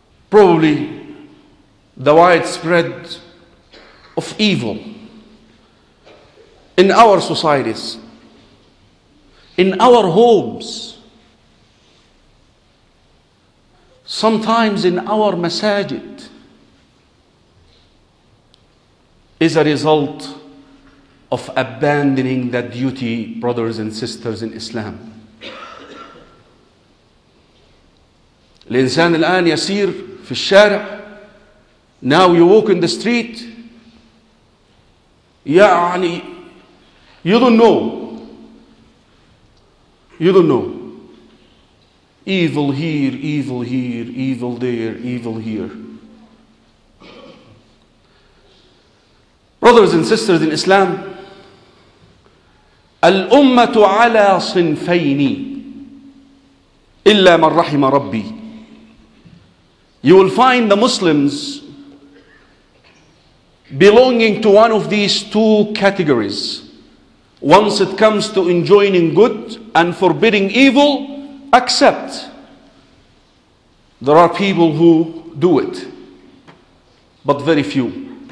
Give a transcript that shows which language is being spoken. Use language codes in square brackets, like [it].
[en] Probably the widespread of evil in our societies, in our homes, sometimes in our masajid, is a result of abandoning that duty, brothers and sisters in Islam. [ar] الإنسان الآن يسير في الشارع. [en] Now you walk in the street. يعني You don't know. Evil here, evil here, evil there, evil here. Brothers and sisters in Islam, [ar] الأمة على صنفين إلا من رحم ربي. [en] You will find the Muslims belonging to one of these two categories. Once it comes to enjoining good and forbidding evil, accept. There are people who do it, but very few.